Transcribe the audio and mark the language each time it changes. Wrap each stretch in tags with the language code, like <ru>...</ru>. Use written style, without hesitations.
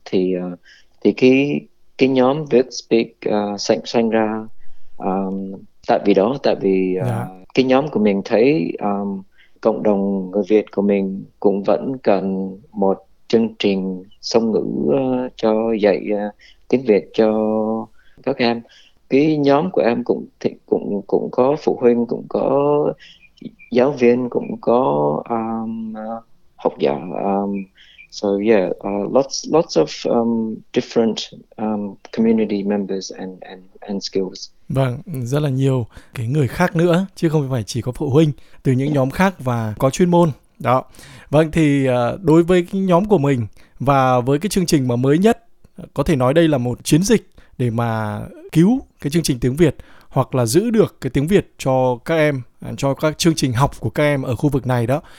<vi>Thì cái nhóm VietSpeak sinh ra tại vì đó, tại vì cái nhóm của mình thấy cộng đồng người Việt của mình cũng vẫn cần một chương trình song ngữ cho dạy tiếng Việt cho các em. Cái nhóm của em cũng có phụ huynh, cũng có giáo viên, cũng có học giả.</vi> <en>So yeah, lots of different community members and skills.</en> <vi>Vâng, rất là nhiều cái người khác nữa, chứ không phải chỉ có phụ huynh, từ những nhóm khác và có chuyên môn. Đó. Vâng, thì đối với cái nhóm của mình và với cái chương trình mà mới nhất, có thể nói đây là một chiến dịch để mà cứu cái chương trình tiếng Việt, hoặc là giữ được cái tiếng Việt cho các em, cho các chương trình học của các em ở khu vực này đó.</vi>